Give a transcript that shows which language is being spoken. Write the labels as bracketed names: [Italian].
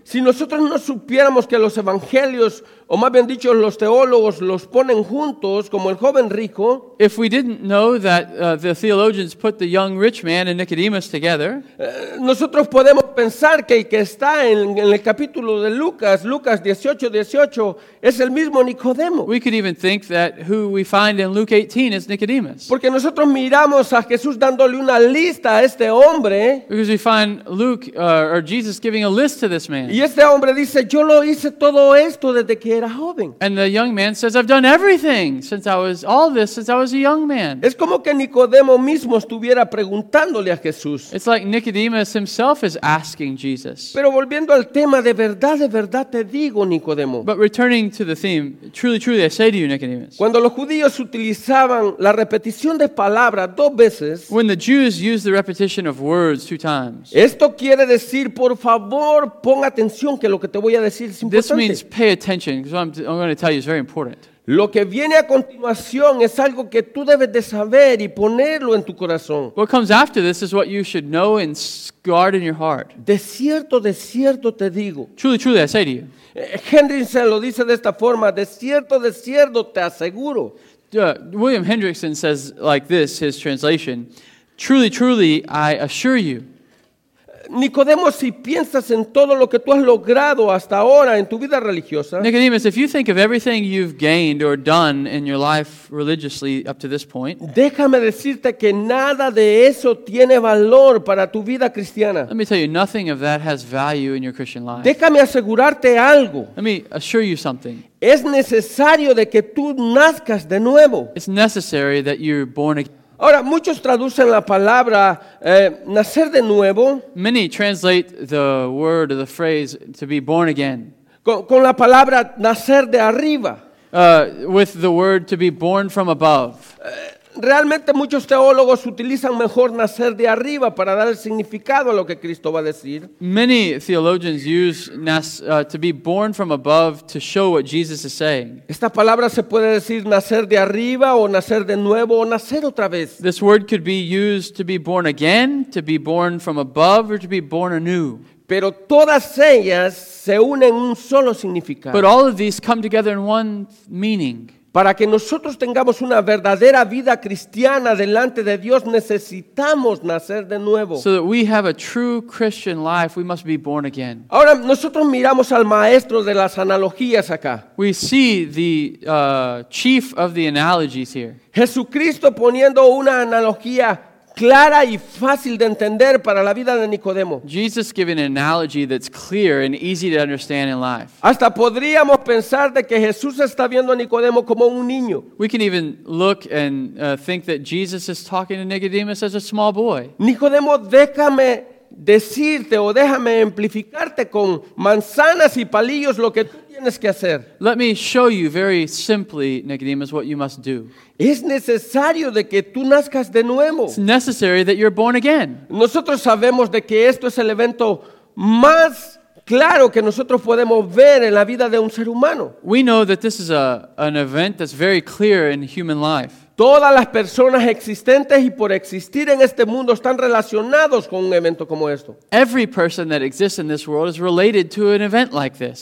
[Spanish] Si nosotros no supiéramos que los evangelios, o más bien dicho, los teólogos los ponen juntos, como el joven rico. [English] If we didn't know that the theologians put the young rich man and Nicodemus together, [Spanish] nosotros podemos pensar que el que está en el capítulo de Lucas, Lucas 18:18, es el mismo Nicodemo. [English] We could even think that who we find in Luke 18 is Nicodemus. [Spanish] Porque nosotros miramos a Jesús dándole una lista a este hombre. [English] Because we find Luke or Jesus giving a list to this man. [Spanish] Y este hombre dice, yo lo hice todo esto desde que era joven. [English] And the young man says, I've done everything since I was all this since I was a young man. [Spanish] Es como que Nicodemo mismo estuviera preguntándole a Jesús. [English] It's like Nicodemus himself is asking Jesus. [Spanish] Pero volviendo al tema, de verdad te digo, Nicodemo. [English] But returning to the theme, truly, truly, I say to you, Nicodemus. [Spanish] Cuando los judíos utilizaban la repetición de palabras dos veces, [English] when the Jews used the repetition of words two times, [Spanish] esto quiere decir, por favor, pon atención que lo que te voy a decir es importante. [English] This means pay attention. Because what I'm going to tell you is very important. [Spanish] Lo que viene a continuación es algo que tú debes de saber y ponerlo en tu corazón. [English] What comes after this is what you should know and guard in your heart. [Spanish] De cierto te digo. [English] Truly, truly, I say to you. [Spanish] Hendrickson lo dice de esta forma. De cierto te aseguro. [English] William Hendrickson says like this, his translation. Truly, truly, I assure you. [Spanish] Nicodemo, si piensas en todo lo que tú has logrado hasta ahora en tu vida religiosa, [English] Nicodemus, if you think of everything you've gained or done in your life religiously up to this point, [Spanish] déjame decirte que nada de eso tiene valor para tu vida cristiana. [English] Let me tell you, nothing of that has value in your Christian life. [Spanish] Déjame asegurarte algo. [English] Let me assure you something. [Spanish] Es necesario de que tú nazcas de nuevo. [English] It's necessary that you're born again. [Spanish] Ahora, muchos traducen la palabra nacer de nuevo. [English] Many translate the word or the phrase to be born again. [Spanish] Con la palabra nacer de arriba. [English] With the word to be born from above. [Spanish] Realmente muchos teólogos utilizan mejor nacer de arriba para dar el significado a lo que Cristo va a decir. [English] Many theologians use to be born from above to show what Jesus is saying. [Spanish] Esta palabra se puede decir nacer de arriba o nacer de nuevo o nacer otra vez. [English] This word could be used to be born again, to be born from above, or to be born anew. [Spanish] Pero todas ellas se unen en un solo significado. [English] But all of these come together in one meaning. [Spanish] Para que nosotros tengamos una verdadera vida cristiana delante de Dios, necesitamos nacer de nuevo. [English] So that we have a true Christian life, we must be born again. [Spanish] Ahora, nosotros miramos al maestro de las analogías acá. [English] We see the chief of the analogies here. [Spanish] Jesucristo poniendo una analogía clara y fácil de entender para la vida de Nicodemo. [English] Jesus giving an analogy that's clear and easy to understand in life. [Spanish] Hasta podríamos pensar de que Jesús está viendo a Nicodemo como un niño. [English] We can even look and think that Jesus is talking to Nicodemus as a small boy. [Spanish] Nicodemo, déjame decirte o déjame amplificarte con manzanas y palillos lo que tú tienes que hacer. [English] Let me show you very simply, Nicodemus, what you must do. [Spanish] Es necesario de que tú nazcas de nuevo. [English] It's necessary that you're born again. [Spanish] Nosotros sabemos de que esto es el evento más claro que nosotros podemos ver en la vida de un ser humano. [English] We know that this is an event that's very clear in human life. [Spanish] Todas las personas existentes y por existir en este mundo están relacionados con un evento como esto. [English] Every person that exists in this world is related to an event like this.